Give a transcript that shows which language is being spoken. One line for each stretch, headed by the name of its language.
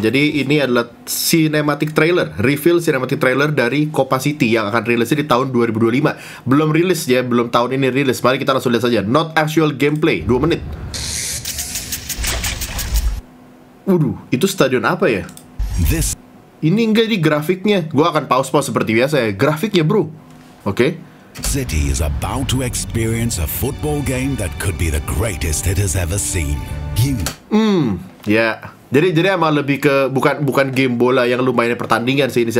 Indonesian: Jadi ini adalah cinematic trailer, reveal cinematic trailer dari Copa City yang akan rilisnya di tahun 2025. Belum rilis ya, belum tahun ini rilis. Mari kita langsung lihat saja,
English: not actual gameplay,
Indonesian: 2 menit. Waduh, itu stadion apa ya? This. Ini enggak, ini grafiknya. Gua akan pause-pause seperti biasa ya, grafiknya bro. Oke.
English: City is about to experience a football game that could be the greatest it has ever seen.
Indonesian: Jadi emang lebih ke bukan game bola yang lumayan pertandingan sih ini.